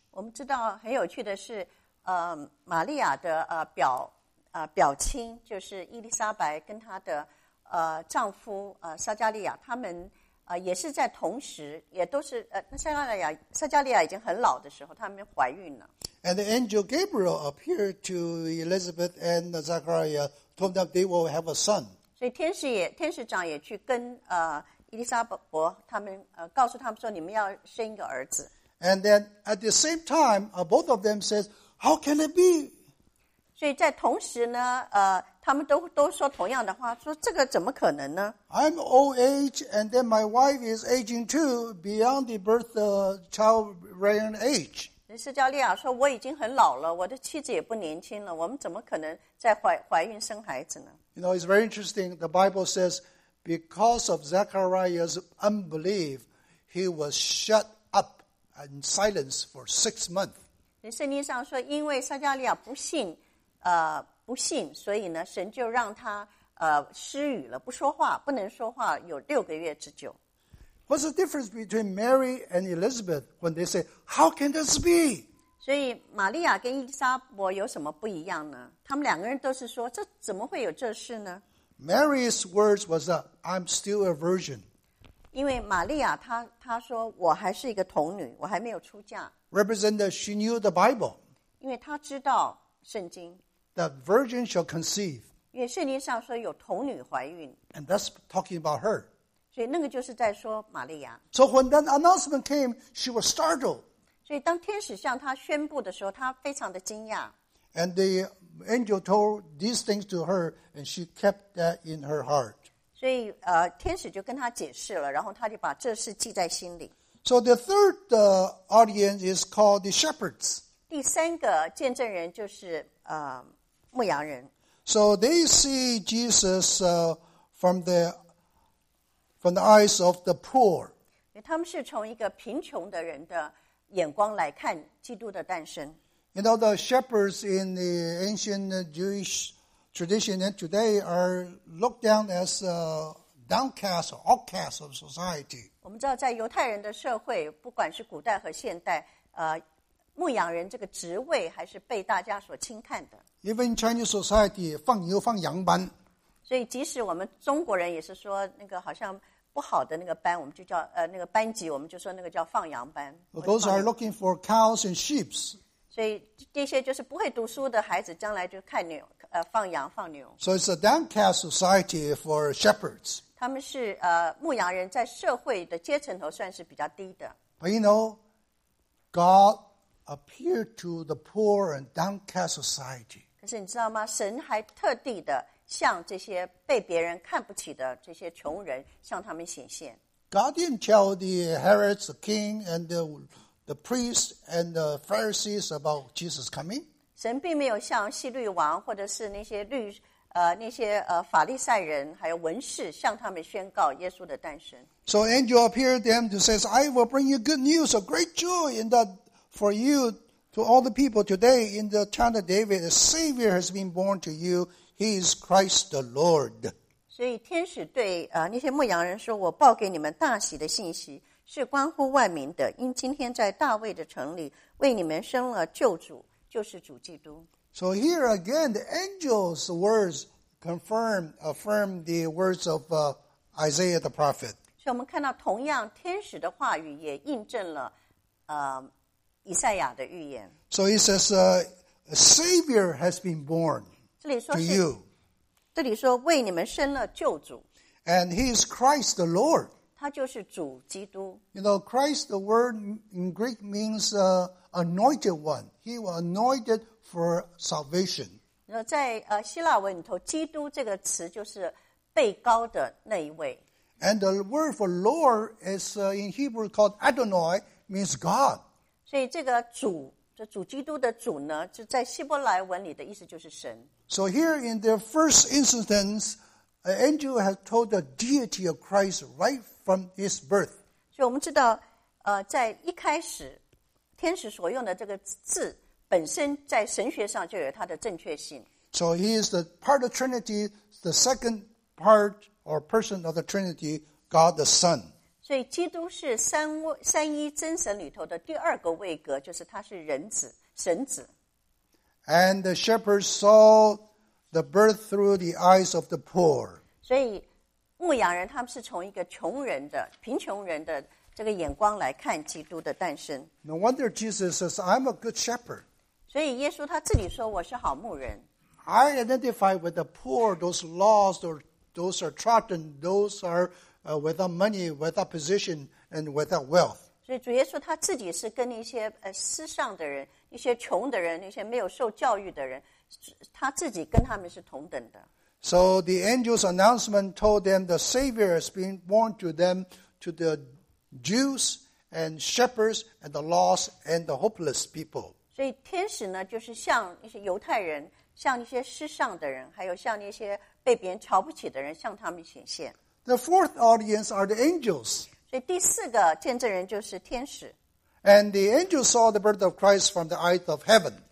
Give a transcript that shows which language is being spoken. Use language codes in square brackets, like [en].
[zh] 我们知道很有趣的是玛利亚的表亲就是伊丽莎白跟她的丈夫撒加利亚他们也是在同时也都是撒加利亚已经很老的时候他们怀孕了。 [en] And the angel Gabriel appeared to Elizabeth and Zechariah, told them they will have a son. [zh] 所以天使长也去跟伊丽莎伯他们告诉他们说你们要生一个儿子。 [en] And then at the same time, both of them says, how can it be? [zh] 所以在同时呢他们都说同样的话说这个怎么可能呢 [en] I'm old age and then my wife is aging too beyond the birth of childbearing age. [zh] 释迦利亚说我已经很老了我的妻子也不年轻了我们怎么可能在怀孕生孩子呢 [en] You know, it's very interesting. The Bible says because of Zechariah's unbelief, he was shut up in silence for 6 months. [zh] 圣经上说因为释迦利亚不信不信所以呢神就让他失语了不说话不能说话有六个月之久。 [en] What's the difference between Mary and Elizabeth when they say, how can this be? [zh] 所以玛利亚跟伊丽莎伯有什么不一样呢他们两个人都是说这怎么会有这事呢 [en] Mary's words was, I'm still a virgin. [zh] 因为玛利亚她说我还是一个童女我还没有出嫁。 [en] Represented she knew the Bible. [zh] 因为她知道圣经。 [en] That virgin shall conceive. [zh] 因为圣经上说有童女怀孕。 [en] And that's talking about her. [zh] 所以那个就是在说玛利亚。 [en] So when that announcement came, she was startled. [zh] 所以当天使向她宣布的时候，她非常的惊讶。 [en] And the angel told these things to her, and she kept that in her heart. [zh] 所以天使就跟她解释了，然后她就把这事记在心里。 [en] So the third audience is called the shepherds. [zh] 第三个见证人就是牧羊人。 [en] So they see Jesus from the eyes of the poor. [zh] 他们是从一个贫穷的人的眼光来看基督的诞生。 [en] You know, the shepherds in the ancient Jewish tradition and today are looked down as a downcast, outcast of society. [zh] 我们知道在犹太人的社会，不管是古代和现代，牧羊人这个职位还是被大家所轻看的。 [en] Even Chinese society, [zh] 放牛放羊班。所以即使我们中国人也是说那个好像不好的那个班我们就叫那个班级我们就说那个叫放羊班。 [en] Well, those are looking for cows and sheep. [zh] 所以这些就是不会读书的孩子将来就看牛放羊放牛。 [en] So it's a downcast society for shepherds. [zh] 他们是牧羊人在社会的阶层头算是比较低的。 [en] But you know, God appeared to the poor and downcast society. [zh] 可是你知道吗神还特地的向这些被别人看不起的这些穷人向他们显现。 [en] God didn't tell the Herods, the king, and the priests and the Pharisees about Jesus coming. [zh] 神并没有向希律王或者是那些律那些法利赛人还有文士向他们宣告耶稣的诞生。 [en] So angel appeared them to says, I will bring you good news, a great joy in that for you to all the people today in the town of David, a Savior has been born to you. He is Christ the Lord. [zh] 所以天使对那些牧羊人说我报给你们大喜的信息是关乎万民的因今天在大卫的城里为你们生了救主就是主基督。 [en] So here again, the angel's words affirm the words of Isaiah the prophet. [zh] 所以我们看到同样天使的话语也印证了以赛亚的预言。 [en] So he says, a Savior has been born. To you. [zh] 这里说为你们生了救主。 [en] And he is Christ the Lord. [zh] 他就是主基督。 [en] You know, Christ, the word in Greek means anointed one. He was anointed for salvation. [zh] 在希腊文里头基督这个词就是被高的那一位。 [en] And the word for Lord is in Hebrew called Adonai, means God. [zh] 所以这个主这主基督的主呢就在希伯来文里的意思就是神。 [en] So here in their first instance, an angel has told the deity of Christ right from his birth. [zh] 所以我们知道在一开始天使所用的这个字本身在神学上就有它的正确性。 [en] So he is the part of Trinity, the second part or person of the Trinity, God the Son. [zh] 所以基督是三一真神里头的第二个位格就是他是人子神子。 [en] And the shepherds saw the birth through the eyes of the poor. [zh] 所以牧羊人他们是从一个穷人的贫穷人的这个眼光来看基督的诞生。 [en] No wonder Jesus says, I'm a good shepherd. [zh] 所以耶稣他自己说我是好牧人。 [en] I identify with the poor, those lost, or those are trodden, those are without money, without position, and without wealth. [zh] 所以主耶稣他自己是跟一些世上的人一些穷的人一些没有受教育的人他自己跟他们是同等的。 [en] So the angel's announcement told them the Savior has been born to them, to the Jews and shepherds and the lost and the hopeless people. [zh] 所以天使呢就是向一些犹太人向一些世上的人还有向一些被别人瞧不起的人向他们显现。 [en] The fourth audience are the angels. [zh] 所以第四个见证人就是天使。 [en] And the angel saw the birth of Christ from the eyes of heaven.